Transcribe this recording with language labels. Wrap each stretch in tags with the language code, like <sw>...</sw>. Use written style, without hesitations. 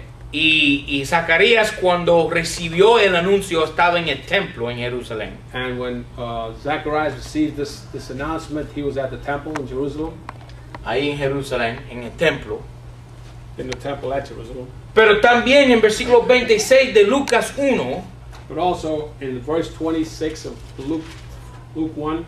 <es>Y Zacarías, cuando recibió el anuncio, estaba en el templo en Jerusalén.</es> <en>And when Zacharias received this announcement, he was at the temple in Jerusalem.</en> <es>Ahí en Jerusalén, en el templo.</es> <en>In the temple at Jerusalem.</en> <es>Pero también en versículo 26 de Lucas 1,</es> <en>But also in verse 26 of Luke 1.</en>